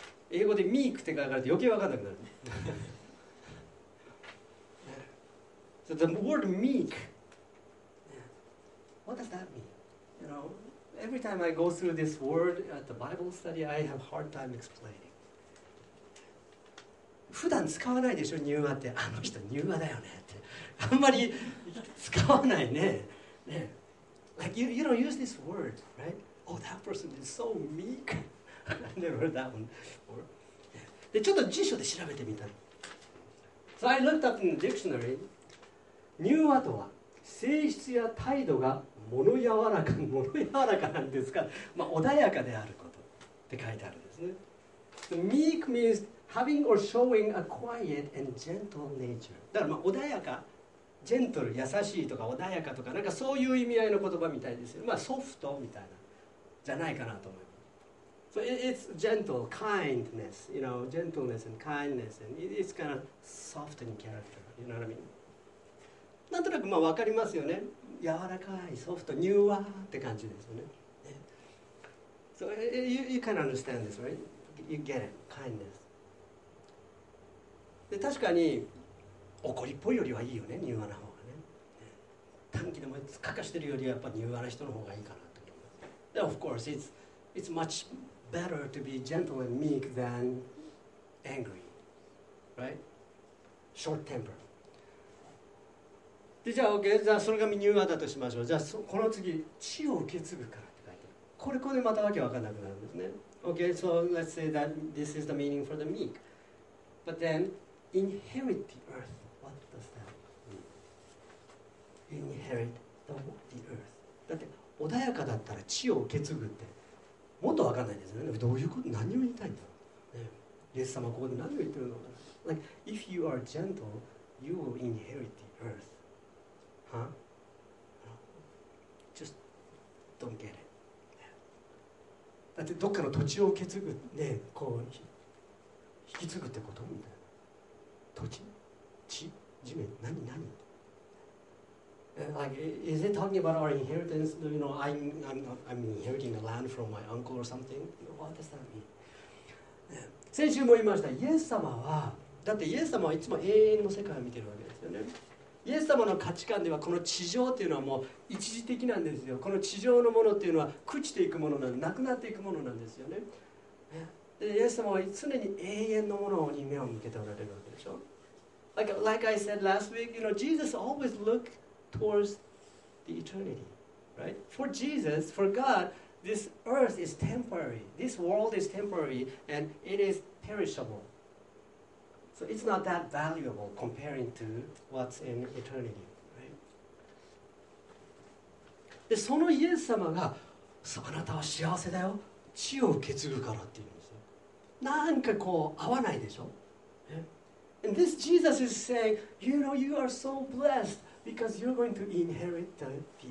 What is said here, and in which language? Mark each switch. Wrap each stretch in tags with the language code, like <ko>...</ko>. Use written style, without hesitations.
<ja>英語で meek って書かれて余計分かんなくなる。</ja> <en>So the word meek, what does that mean? You know, every time I go through this word at the Bible study, I have a hard time explaining.</en> <ja>普段使わないでしょ、柔和って。あの人柔和だよねって。あんまり使わないね。ね。</ja> <en>Like you don't use this word, right? Oh, that person is so meek. I never heard that one before.</en> <ja>でちょっと辞書で調べてみたの。</ja> <en>So I looked up in the dictionary.</en> <ja>柔和とは、性質や態度が物柔らかなんですか、まあ、穏やかであることって書いてあるんですね。</ja> <en>So, meek means having or showing a quiet and gentle nature.</en> <ja>だからまあ穏やか、ジェントル、優しいとか穏やかとか、なんかそういう意味合いの言葉みたいですよ。まあソフトみたいな、じゃないかなと思います。</ja> <en>So it's gentle, kindness, you know, gentleness and kindness, and it's kind of softening character, you know what I mean?</en> <ja>なんとなくまあ分かりますよね。柔らかい、ソフト、柔和って感じですよね。</ja> <en>So you can understand this, right? You get it, kindness.</en> <ja>で確かに怒りっぽいよりはいいよね、柔和な方がね。短気でもかかしてるよりはやっぱ柔和な人の方がいいかなと思います。</ja> <en>Of course, it's much better to be gentle and meek than angry, right? Short temper.</en> <ja>でじゃあ、OK、じゃあそれがミニューマだとしましょう。じゃあこの次、地を受け継ぐからって書いてある。これでまたわけわかんなくなるんですね。</ja> <en>Okay, so let's say that this is the meaning for the meek. But then, inherit the earth. What does that mean? Inherit the earth.</en> <ja>だって、穏やかだったら地を受け継ぐって、もっとわかんないですよね。どういうこと、何を言いたいんだろう。ね、イエス様、ここで何を言ってるのかな。</ja> <en>Like, if you are gentle, you will inherit the earth. Huh? Just don't get it.</en> <ja>だってどっかの土地を受け継ぐ、ね、こう引き継ぐってことみたいな。土地、地、地面、何、何。</ja> <en>Like, is it talking about our inheritance? You know, I'm inheriting the land from my uncle or something? What does that mean?</en> <ja>先週も言いました。イエス様は、だってイエス様はいつも永遠の世界を見てるわけですよね。イエス様の価値観ではこの地上というのはもう一時的なんですよ。この地上のものというのは朽ちていくものなんです。なくなっていくものなんですよね。でイエス様は常に永遠のものに目を向けておられるわけでしょ。</ja> <en>Like I said last week, you know, Jesus always look towards the eternity, right? For Jesus, for God, this earth is temporary. This world is temporary and it is perishable. So it's not that valuable comparing to what's in eternity, right?</en> <ja>で、そのイエス様が、あなたは幸せだよ、地を受け継ぐからって言うんですよ。なんかこう合わないでしょ。</ja> <en>And this Jesus is saying, you know, you are so blessed because you're going to inherit the earth.</en>